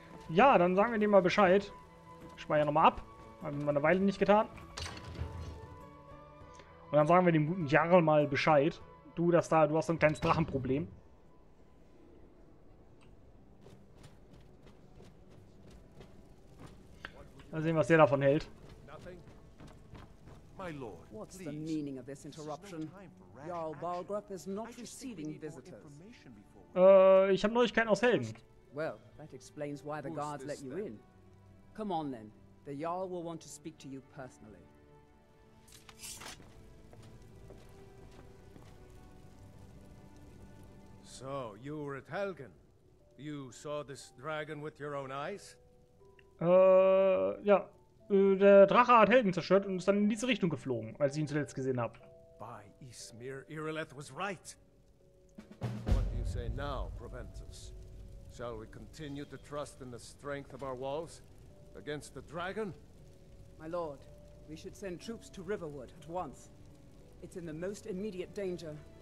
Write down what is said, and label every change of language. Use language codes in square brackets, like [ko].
[de] Ja, dann sagen wir dem mal Bescheid. Speichern nochmal ab. Haben wir eine Weile nicht getan. Und dann sagen wir dem guten Jarl mal Bescheid. Du hast so ein kleines Drachenproblem. Mal sehen, was der davon hält. [en] My Lord, what's the meaning of this interruption? Jarl Balgruuf is not receiving visitors. [de] Ich habe Neuigkeiten aus Helden. [en] Well, that explains why the guards let you in. Come on then. The Jarl will want to speak to you personally. So, you were at Helgen. You saw this dragon with your own eyes? [de] Ja. Der Drache hat Helden zerstört und ist dann in diese Richtung geflogen, als ich ihn zuletzt gesehen habe. [en] By Ismir, Ireleth was right. What do you say now prevents us? Shall we continue to trust in the strength of our walls against the dragon? My lord, we should send troops to Riverwood at once. It's in the most immediate danger.